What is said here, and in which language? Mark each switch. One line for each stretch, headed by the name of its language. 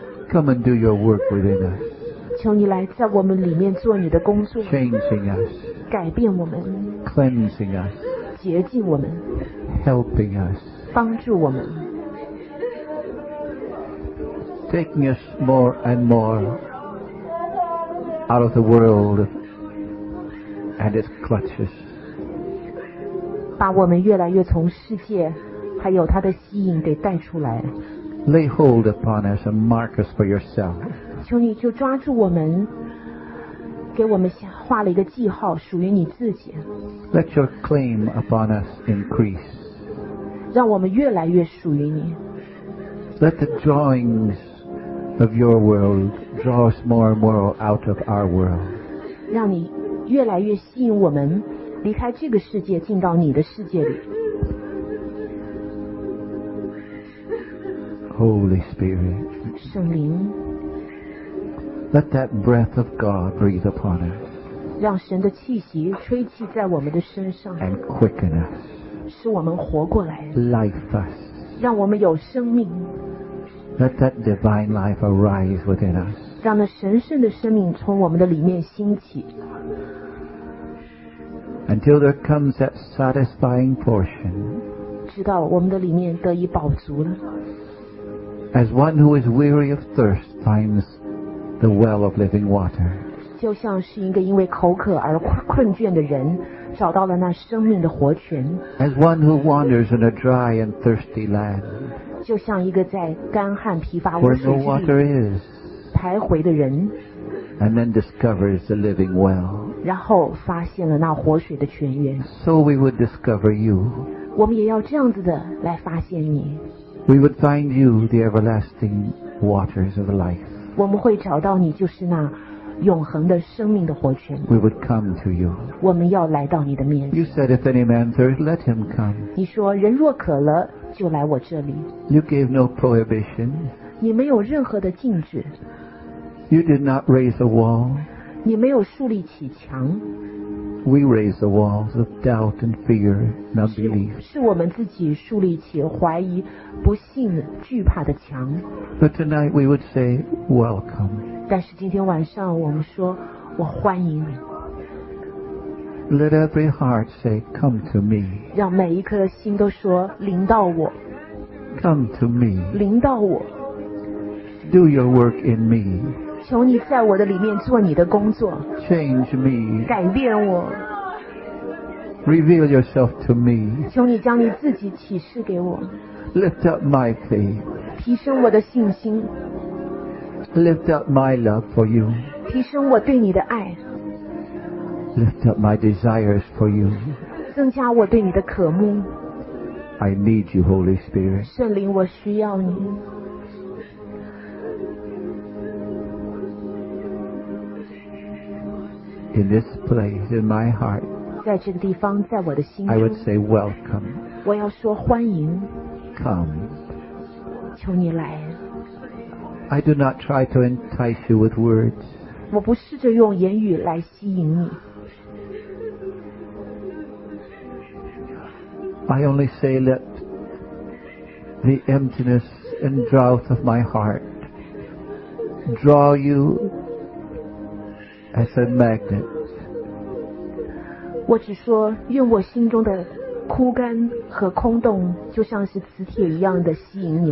English: Come and do your work within us.
Chinese: 求你来在我们里面做你的工作。
English: Changing us.
Chinese: 改变我们。
English: Cleansing us.
Chinese: 洁净我们。
English: Helping us.
Chinese: 帮助我们。
English: Taking us more and more out of the world of and its clutches.
Chinese: 把我们越来越从世界还有它的吸引给带出来。
English: Lay hold upon us and mark us for yourself.
Chinese: 求你就抓住我们，给我们画了一个记号，属于你自己。
English: Let your claim upon us increase.
Chinese: 让我们越来越属于你。
English: Let the drawings of your world draw us more and more out of our world.
Chinese: 让你越来越吸引我们离开这个世界，进到你的世界里。
English: Holy Spirit,
Chinese: 圣灵
English: let that breath of God breathe upon us.
Chinese: 让神的气息吹气在我们的身上
English: and quicken us.
Chinese: 使我们活过来
English: life us.
Chinese: 让我们有生命
English: let that divine life arise within us.
Chinese: 让那神圣的生命从我们的里面兴起
English: until there comes that satisfying portion.
Chinese: 直到我们的里面得以饱足了。
English: As one who is weary of thirst finds the well of living water.
Chinese: 就像是一个因为口渴而困倦的人找到了那生命的活泉。
English: As one who wanders in a dry and thirsty land.
Chinese: 就像一个在干旱疲乏无水之地。
English: Where no water is.
Chinese: 徘徊的人。
English: And then discovers the living well.
Chinese: 然后发现了那活水的泉源。
English: So we would discover you.
Chinese: 我们也要这样子的来发现你。
English: We would find you the everlasting waters of life.
Chinese: 我们会找到你就是那永恒的生命的活泉。
English: We would come to you.
Chinese: 我们要来到你的面前。
English: You said if any man thirst, let him come.
Chinese: 你说人若渴了就来我这里。
English: You gave no prohibition.
Chinese: 你没有任何的禁止。
English: You did not raise a wall.
Chinese: 你没有树立起墙。
English: We raise the walls of doubt and fear and unbelief.
Chinese: 是我们自己树立起怀疑、不信、惧怕的墙。
English: But tonight we would say, welcome.
Chinese: 但是今天晚上我们说，我欢迎你。
English: Let every heart say, come to me.
Chinese: 让每一颗心都说，临到我。
English: Come to me.
Chinese: 临到我。
English: Do your work in me.
Chinese: 求你在我的里面做你的工作
English: Change me
Chinese: 改变我
English: Reveal yourself to me
Chinese: 求你将你自己启示给我
English: Lift up my faith
Chinese: 提升我的信心
English: Lift up my love for you
Chinese: 提升我对你的爱
English: Lift up my desires for you
Chinese: 增加我对你的渴慕
English: I need you Holy Spirit
Chinese: 圣灵我需要你
English: In this place, in my heart,
Chinese: 在这个地方，在我的心中
English: I would say welcome.
Chinese: 我要说欢迎
English: Come.
Chinese: 求你来
English: I do not try to entice you with words.
Chinese: 我不试着用言语来吸引你
English: I only say let the emptiness and drought of my heart draw you. As a magnet.
Chinese: 我只说用我心中的枯干和空洞就像是磁铁一样的吸引你。